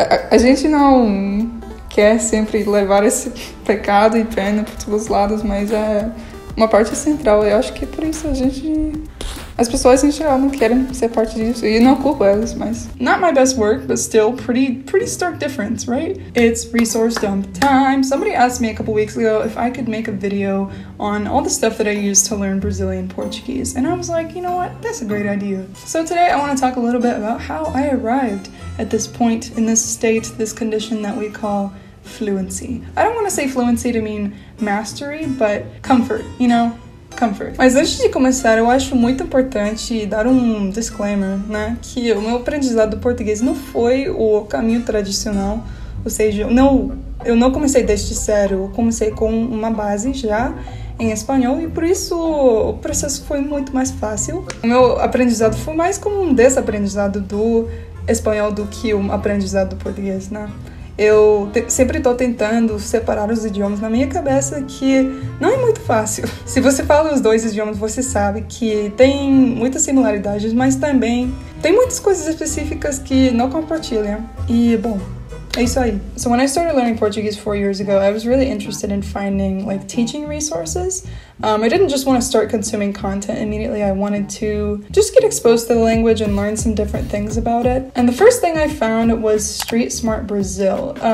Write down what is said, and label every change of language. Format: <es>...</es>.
<pt>A gente não quer sempre levar esse pecado e pena para todos os lados, mas é... Uma parte central, eu acho que por isso a gente... As pessoas em geral não querem ser parte disso, e não culpo elas, mas...</pt> <en>Not my best work, but still pretty stark difference, right? It's resource dump time. Somebody asked me a couple weeks ago if I could make a video on all the stuff that I used to learn Brazilian Portuguese. And I was like, you know what? That's a great idea. So today I want to talk a little bit about how I arrived at this point in this state, this condition that we call fluency. I don't want to say fluency to mean mastery, but comfort, you know? Comfort.</en> <pt>Mas antes de começar, eu acho muito importante dar um disclaimer, né? Que o meu aprendizado do português não foi o caminho tradicional, ou seja, eu não comecei desde zero, eu comecei com uma base já em espanhol e por isso o processo foi muito mais fácil. O meu aprendizado foi mais como um desaprendizado do espanhol do que um aprendizado do português, né? Eu sempre estou tentando separar os idiomas na minha cabeça, que não é muito fácil. Se você fala os dois idiomas, você sabe que tem muitas similaridades, mas também tem muitas coisas específicas que não compartilham. E, bom, é isso aí.</pt> <en>So when I started learning Portuguese 4 years ago, I was really interested in finding, like, teaching resources. I didn't just want to start consuming content immediately. I wanted to just get exposed to the language and learn some different things about it. And the first thing I found was Street Smart Brazil.</en>